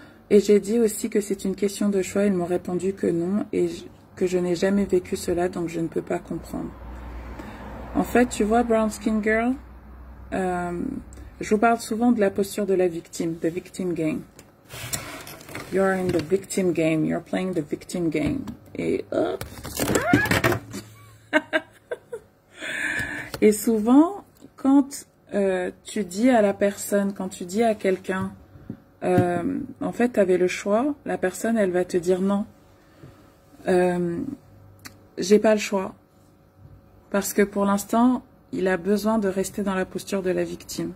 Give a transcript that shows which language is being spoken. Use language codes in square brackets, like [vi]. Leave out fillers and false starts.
[fr] Et j'ai dit aussi que c'est une question de choix. Ils m'ont répondu que non et que je n'ai jamais vécu cela, donc je ne peux pas comprendre. En fait, tu vois, Brown Skin Girl, je vous parle souvent de la posture de la victime, [en] the victim game. You're in the victim game, you're playing the victim game. [fr] Et hop. Et souvent, quand tu dis à la personne, quand tu dis à quelqu'un, en fait, tu avais le choix, la personne, elle va te dire non. J'ai pas le choix. Parce que pour l'instant, il a besoin de rester dans la posture de la victime.